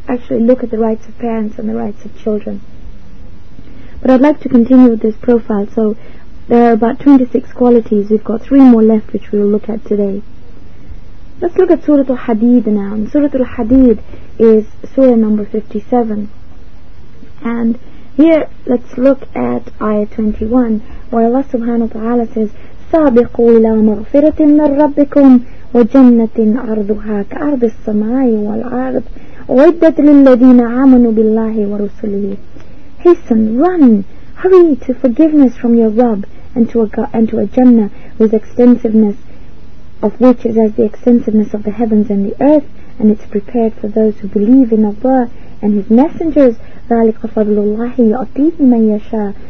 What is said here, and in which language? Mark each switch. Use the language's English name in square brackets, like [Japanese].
[English] Actually, look at the rights of parents and the rights of children. But I'd like to continue with this profile. So there are about 26 qualities. We've got three more left which we'll look at today. Let's look at Surah Al-Hadid now. And Surah Al-Hadid is Surah number 57. And here, let's look at Ayah 21, where Allah subhanahu wa ta'ala says, [Arabic] سَابِقُوا إِلَى مَغْفِرَةٍ مِّن رَّبِّكُمْ وَجَنَّةٍ عَرْضُهَا كَعَرْضِ السَّمَاءِ وَالْعَرْضِ وَعِدَّةٍ لِلَّذِينَ عَامَنُوا بِاللَّهِ وَرُسُلِهِ. [English] Hasten, run, hurry to forgiveness from your Rabb and to a Jannah whose extensiveness of which is as the extensiveness of the heavens and the earth, and it's prepared for those who believe in Allah and His messengers. [Arabic] ذَلِقَ فَضْلُ اللَّهِ يُعْطِيهِ مَنْ يَشَاءُ.